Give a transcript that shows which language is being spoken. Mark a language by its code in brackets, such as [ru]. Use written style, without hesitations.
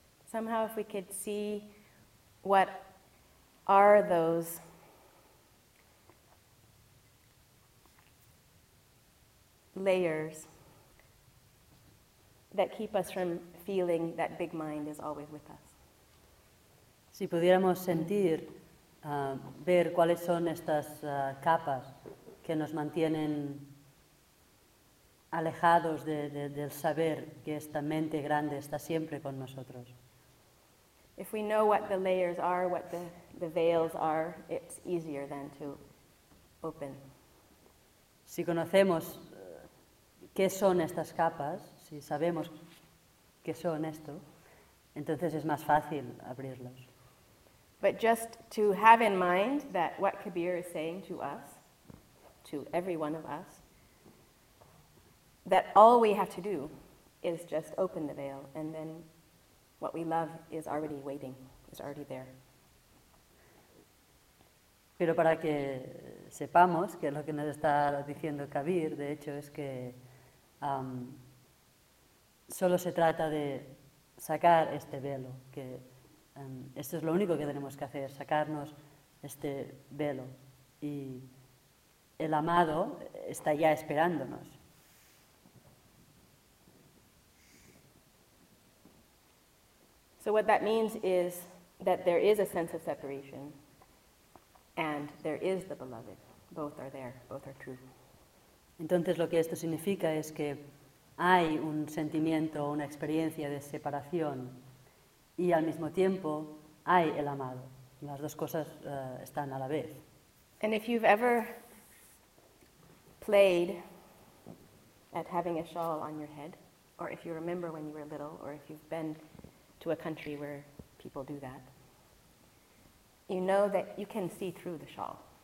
[en] Somehow, if we could see what are those layers that keep us from feeling that big mind is always with us. [es] Si pudiéramos sentir, ver cuáles son estas capas que nos mantienen alejados del saber que esta mente grande está siempre con nosotros. [en] If we know what the layers are, what the veils are, it's easier then to open. [es] Si conocemos qué son estas capas, si sabemos qué son esto, entonces es más fácil abrirlos. [en] But just to have in mind that what Kabir is saying to us, to every one of us, that all we have to do is just open the veil and then what we love is already waiting, is already there. [es] Pero para que sepamos que lo que nos está diciendo Kabir, de hecho, es que solo se trata de sacar este velo, que esto es lo único que tenemos que hacer, sacarnos este velo. Y el amado está ya esperándonos. [en] So what that means is that there is a sense of separation and there is the beloved. Both are there, both are true. [es] Entonces lo que esto significa es que hay un sentimiento, una experiencia de separación y al mismo tiempo hay el amado. Las dos cosas están a la vez. [en] And if you've ever played at having a shawl on your head, or if you remember when you were little, or if you've been to a country where people do that, you know that you can see through the shawl.